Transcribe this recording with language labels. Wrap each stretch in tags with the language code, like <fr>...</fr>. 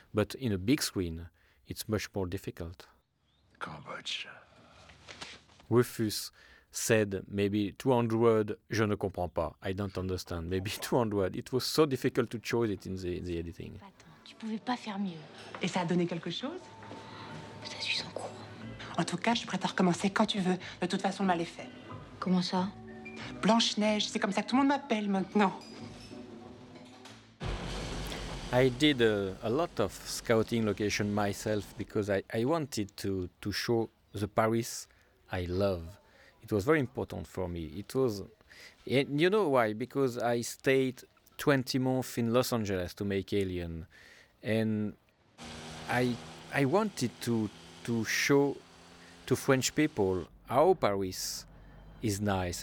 <en>But in a big screen, it's much more difficult.</en> <fr>Cambodge.</fr> <en>Rufus said maybe 200,</en> <fr>je ne comprends pas,</fr> <en>I don't understand, maybe 200. It was so difficult to choose it in the editing.</en> <fr>Attends, tu pouvais pas faire mieux. Et ça a donné quelque chose? Ça suit son cours. En tout cas, je suis prête à recommencer quand tu veux. De toute façon, le mal est fait. Comment ça? Blanche-Neige, c'est comme ça que tout le monde m'appelle maintenant.</fr> <en>I did a lot of scouting location myself because I wanted to show the Paris I love. It was very important for me. It was, and you know why? Because I stayed 20 months in Los Angeles to make Alien, and I wanted to show to French people how Paris is nice.</en>